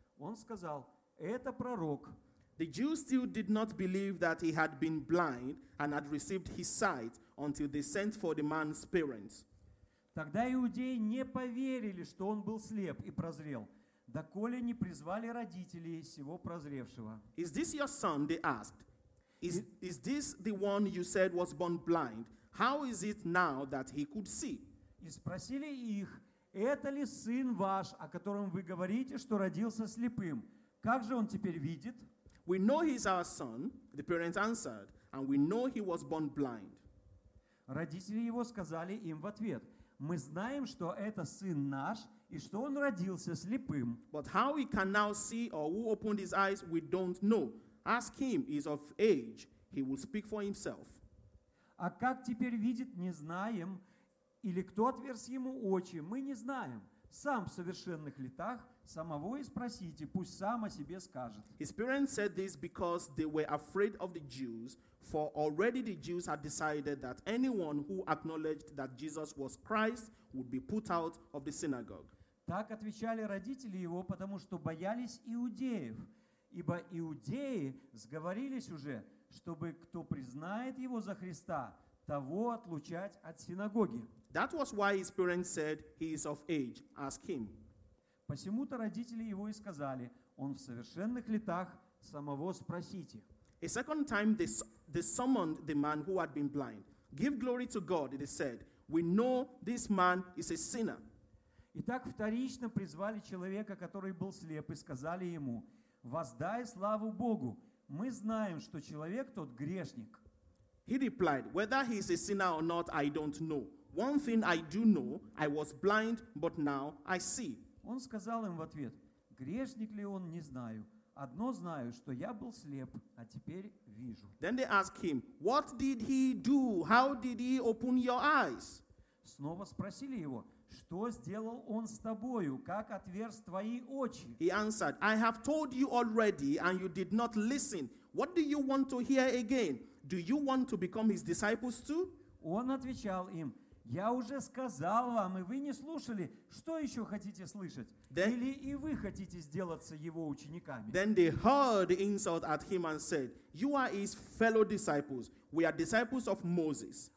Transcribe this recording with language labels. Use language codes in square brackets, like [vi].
[ru] Он сказал, это пророк. [en] The Jews still did not believe that he had been blind and had received his sight until they sent for the man's parents. [ru] Тогда иудеи не поверили, что он был слеп и прозрел, доколе не призвали родителей сего прозревшего. [en] Is this your son? They asked. Is this the one you said was born blind? How is it now that he could see? [ru] И спросили их, это ли сын ваш, о котором вы говорите, что родился слепым? Как же он теперь видит? [en] We know he's our son, the parents answered, and we know he was born blind. [ru] Родители его сказали им в ответ, мы знаем, что это сын наш, и что он родился слепым. [en] But how he can now see or who opened his eyes, we don't know. Ask him, he's of age, he will speak for himself. [ru] А как теперь видит, не знаем, или кто отверз ему очи, мы не знаем. Сам в совершенных летах, самого и спросите, пусть сам о себе скажет. [en] His parents said this because they were afraid of the Jews, for already the Jews had decided that anyone who acknowledged that Jesus was Christ would be put out of the synagogue. [ru] Так отвечали родители его, потому что боялись иудеев, ибо иудеи сговорились уже, чтобы кто признает его за Христа, того отлучать от синагоги. [en] That was why his parents said, he is of age, ask him. [ru] Посему-то родители его и сказали, он в совершенных летах, самого спросите. [en] A second time they summoned the man who had been blind. Give glory to God, they said. We know this man is a sinner. [ru] Итак, вторично призвали человека, который был слеп, и сказали ему, воздай славу Богу. Мы знаем, что человек тот грешник. [en] He replied, whether he is a sinner or not, I don't know. One thing I do know, I was blind, but now I see. [ru] Он сказал им в ответ, грешник ли он, не знаю. Одно знаю, что я был слеп, а теперь вижу. [en] Then they asked him, what did he do? How did he open your eyes? [ru] Снова спросили его, что сделал он с тобою, как отверз твои очи? [en] He answered, I have told you already, and you did not listen. What do you want to hear again? Do you want to become his disciples too? [ru] Он отвечал им, я уже сказал вам, и вы не слушали. Что еще хотите слышать? Или и вы хотите сделаться его учениками? [en] Then they heard the insult at him and said, you are his fellow disciples. We are disciples of Moses.